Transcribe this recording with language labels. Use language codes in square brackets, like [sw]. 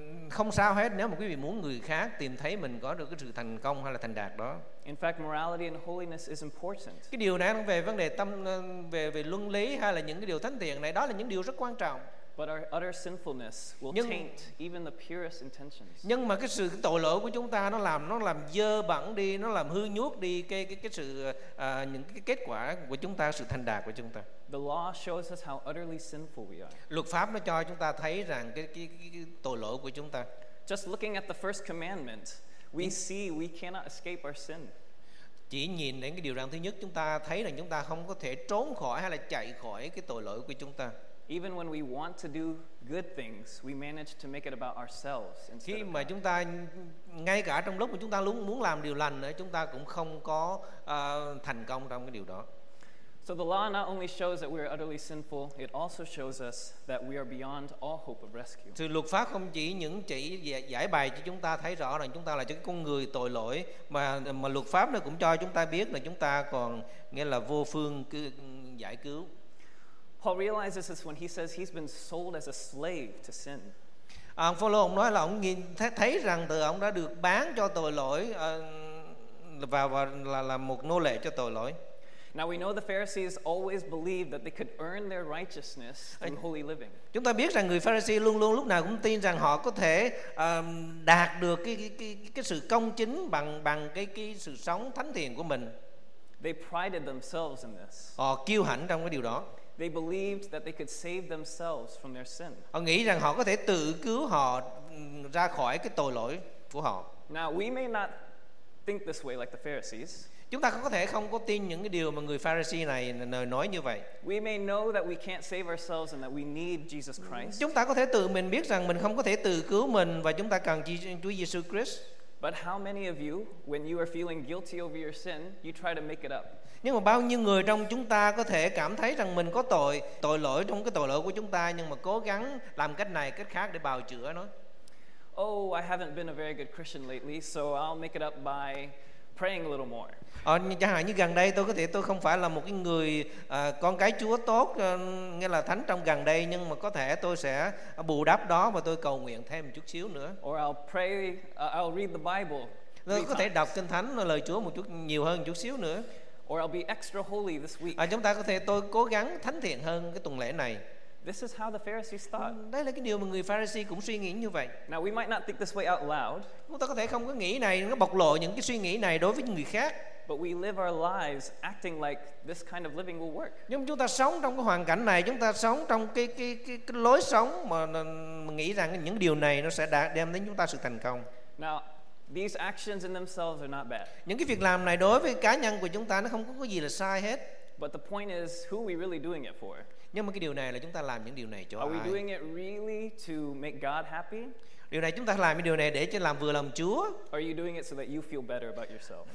[vi] Không sao hết nếu mà quý vị muốn người khác tìm thấy mình có được cái sự thành công hay là thành đạt đó. [en] In fact, morality and holiness is important. [vi] Cái điều này nó về vấn đề tâm về luân lý hay là những cái điều thánh thiện này, đó là những điều rất quan trọng. [en] But our utter sinfulness will taint even the purest intentions. [vi] Nhưng mà cái sự tội lỗi của chúng ta nó làm dơ bẩn đi, nó làm hư nhuốc đi những cái kết quả của chúng ta, sự thành đạt của chúng ta. [en] The law shows us how utterly sinful we are. [vi] Luật pháp nó cho chúng ta thấy rằng cái tội lỗi của chúng ta. [en] Just looking at the first commandment, we see we cannot escape our sin. [vi] Chỉ nhìn đến cái điều răn thứ nhất, chúng ta thấy rằng chúng ta không có thể trốn khỏi hay là chạy khỏi cái tội lỗi của chúng ta. [en] Even when we want to do good things, we manage to make it about ourselves instead of God. [vi] Khi mà chúng ta ngay cả trong lúc mà chúng ta luôn muốn làm điều lành nữa, chúng ta cũng không có thành công trong cái điều đó. [en] So the law not only shows that we are utterly sinful, it also shows us that we are beyond all hope of rescue. [vi] Sự luật pháp không chỉ những chỉ giải bày cho chúng ta thấy rõ rằng chúng ta là cái con người tội lỗi, mà luật pháp nó cũng cho chúng ta biết là chúng ta còn nghĩa là vô phương giải cứu. [en] Paul realizes this when he says he's been sold as a slave to sin. [vi] Phaolô ông nói là ông nhìn thấy rằng từ ông đã được bán cho tội lỗi và là một nô lệ cho tội lỗi. [en] Now we know the Pharisees always believed that they could earn their righteousness through holy living. [vi] Chúng ta biết rằng người Pharisee luôn luôn lúc nào cũng tin rằng họ có thể đạt được cái sự công chính bằng cái sự sống thánh thiện của mình. [en] They prided themselves in this. [vi] Họ kiêu hãnh trong cái điều đó. [en] They believed that they could save themselves from their sin. [vi] Họ nghĩ rằng họ có thể tự cứu họ ra khỏi cái tội lỗi của họ. [en] Now we may not think this way like the Pharisees. [vi] Chúng ta có thể không có tin những cái điều mà người Pharisee này nói như vậy. [en] We may know that we can't save ourselves and that we need Jesus Christ. [vi] Chúng ta có thể tự mình biết rằng mình không có thể tự cứu mình và chúng ta cần Chúa Jesus Christ. [en] But how many of you, when you are feeling guilty over your sin, you try to make it up? [vi] Nhưng mà bao nhiêu người trong chúng ta có thể cảm thấy rằng mình có tội lỗi trong cái tội lỗi của chúng ta, nhưng mà cố gắng làm cách này cách khác để bào chữa nó? [en] Oh, I haven't been a very good Christian lately, so I'll make it up by praying a little more. [vi] Chẳng hạn như gần đây tôi không phải là một cái người con cái Chúa tốt, nghĩa là thánh trong gần đây, nhưng mà có thể tôi sẽ bù đắp đó và tôi cầu nguyện thêm một chút xíu nữa. [en] Or I'll read the Bible. [vi] Tôi có thể đọc Kinh Thánh lời Chúa một chút nhiều hơn một chút xíu nữa. [en] Or I'll be extra holy this week. [vi] Chúng ta có thể tôi cố gắng thánh thiện hơn cái tuần lễ này. [en] This is how the Pharisees thought. [vi] Đây là cái điều mà người Pharisee cũng suy nghĩ như vậy. [en] Now we might not think this way out loud. [vi] Chúng ta có thể không có nghĩ này, nó bộc lộ những cái suy nghĩ này đối với những người khác. [en] But we live our lives acting like this kind of living will work. [vi] Nhưng chúng ta sống trong cái hoàn cảnh này, chúng ta sống trong cái lối sống mà nghĩ rằng những điều này nó sẽ đem đến chúng ta sự thành công. [en] Now these actions in themselves are not bad. [vi] Những cái việc làm này đối với cá nhân của chúng ta nó không có gì là sai hết. [en] But the point is, who are we really doing it for? [vi] Nhưng mà cái điều này là chúng ta làm những điều này cho ai? [en] Are we doing it really to make God happy? [vi] Điều này chúng ta làm những điều này để cho làm vừa lòng Chúa? [en] Are you doing it so that you feel better about yourself?